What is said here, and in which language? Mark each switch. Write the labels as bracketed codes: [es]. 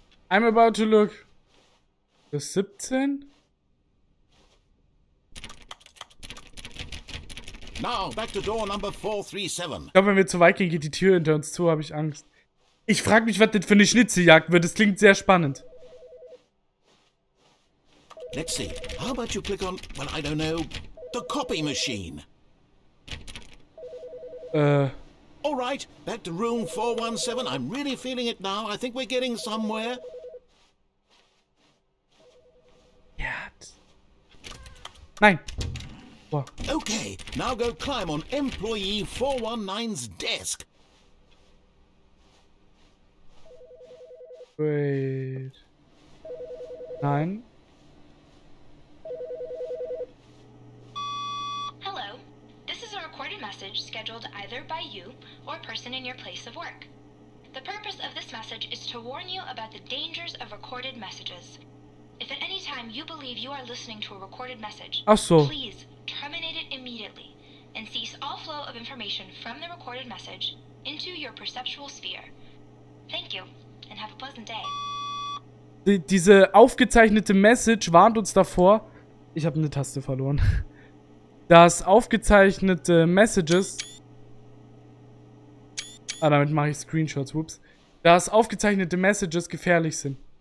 [en] I'm about to look. The 17? Now, back to door number 437. [de] Ich glaube, wenn wir zu weit gehen, geht die Tür hinter uns zu, habe ich Angst. Ich frage mich, was das für eine Schnitzeljagd wird. Das klingt sehr spannend. [en] Let's see. How about you click on, well, I don't know, the copy machine? Alright, back to room 417. I'm really feeling it now. I think we're getting somewhere. [de] Nein. [en] Boah. Okay, now go climb on employee 419's desk. [de] Wait. Nein. [en] Hello. This is a recorded message scheduled either by you or person in your place of work. The purpose of this message is to warn you about the dangers of recorded messages. If at any time you believe you are listening to a recorded message, [de] ach so, [en] please terminate it immediately and cease all flow of information from the recorded message into your perceptual sphere. Thank you and have a pleasant day. [de] Diese aufgezeichnete Message warnt uns davor, ich habe eine Taste verloren, dass aufgezeichnete Messages, ah, damit mache ich Screenshots, whoops, dass aufgezeichnete Messages gefährlich sind.